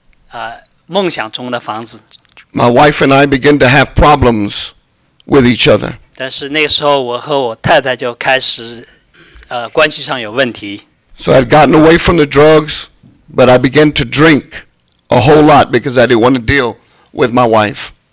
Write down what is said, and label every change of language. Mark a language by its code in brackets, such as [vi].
[zh] 当我孩子一岁的时候，我们又搬到了另外一个房子。在当时，我认为这就是我的美国的梦想中的房子。 [en] My wife and I began to have problems with each other. [zh] 但是那个时候，我和我太太就开始关系上有问题。 [en] So I'd gotten away from the drugs, but I began to drink a whole lot because I didn't want to deal with my wife.